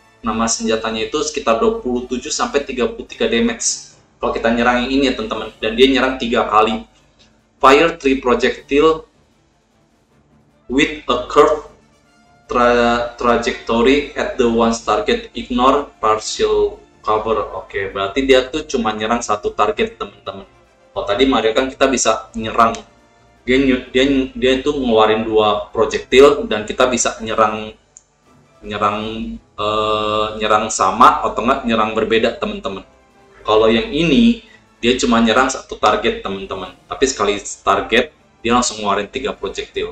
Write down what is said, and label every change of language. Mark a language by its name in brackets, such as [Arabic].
[Indonesian] Nama senjatanya itu sekitar 27 sampai 33 damage kalau kita nyerang yang ini ya teman-teman, dan dia nyerang 3 kali. [English] Fire 3 projectile with a curved trajectory at the one target, ignore partial cover. [Indonesian] Oke, berarti dia tuh cuma nyerang satu target teman-teman. Oh, tadi Mario kan kita bisa nyerang, dia itu ngeluarin dua projectile dan kita bisa nyerang sama atau enggak nyerang berbeda teman-teman. Kalau yang ini dia cuma nyerang satu target teman-teman, tapi sekali target dia langsung ngeluarin 3 projectile.